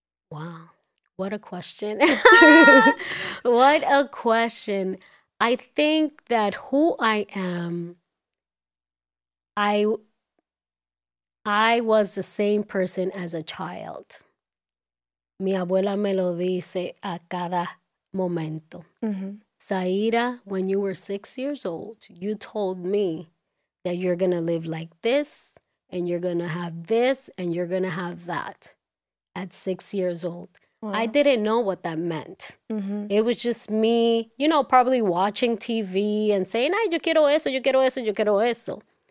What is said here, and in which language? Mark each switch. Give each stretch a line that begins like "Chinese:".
English: Wow, what a question. What a question. I think that who I am, I was the same person as a child.
Spanish: Mi abuela me lo dice a cada momento. Mm-hmm.
English: Zaira, when you were 6 years old, you told me that you're going to live like this, and you're going to have this, and you're going to have that at 6 years old. Wow. I didn't know what that meant. Mm-hmm. It was just me, you know, probably watching TV and saying,
Spanish: ay, yo quiero eso, yo quiero eso, yo quiero eso.